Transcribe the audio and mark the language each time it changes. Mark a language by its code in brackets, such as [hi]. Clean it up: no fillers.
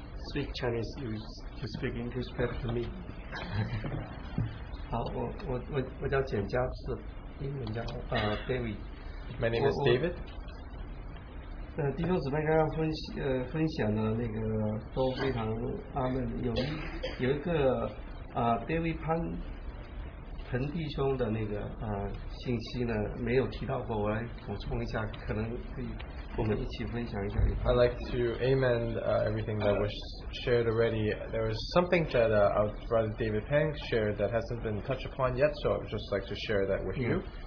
[en] Speak Chinese, you speak English back to me. [zh] 好，我叫简家志，英文叫David. [en] My name is David. [zh] 弟兄姊妹刚刚分享的那个都非常阿门。有一个David 彭弟兄的那个信息呢没有提到过，我来补充一下，可能可以。 [en] I'd like to amen everything that was shared already. There was something that our brother David Peng shared that hasn't been touched upon yet, so I'd just like to share that with you.